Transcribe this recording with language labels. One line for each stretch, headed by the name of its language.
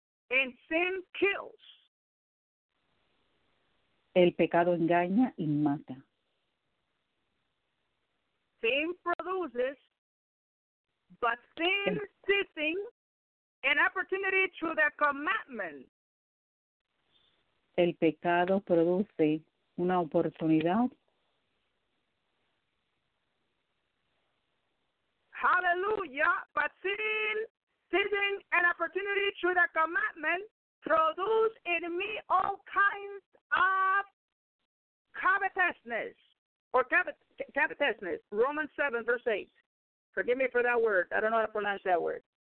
English: And sin kills.
Spanish: El pecado engaña y mata.
English: Sin produces, but sin seizing an opportunity to the commandment.
Spanish: El pecado produce una oportunidad.
English: Hallelujah, but sin seizing an opportunity to the commandment produce in me all kinds of covetousness. Or covetousness, Romans 7, verse 8. Forgive me for that word. I don't know how to pronounce that word.